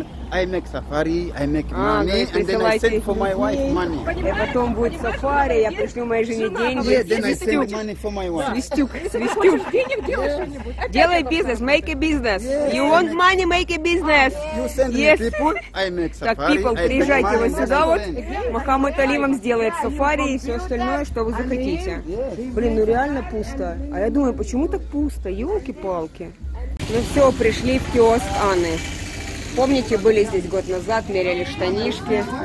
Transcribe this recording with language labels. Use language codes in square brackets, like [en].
[en] I make safari, I make money, and then I send for my wife money. [ru] И потом будет сафари, я пришлю моей жене деньги. [en] Yeah, then I send money for my wife. [ru] Свистюк, свистюк. Делай бизнес, [en] make a business. You want money, make a business. You send me people, I make safari. [ru] Так, people, приезжайте вот сюда вот. Мохаммед Али вам сделает сафари и все остальное, что вы захотите. Блин, ну реально пусто. А я думаю, почему так пусто? Ёлки-палки. Ну все, пришли в киоск Анны. Помните, были здесь год назад, меряли штанишки.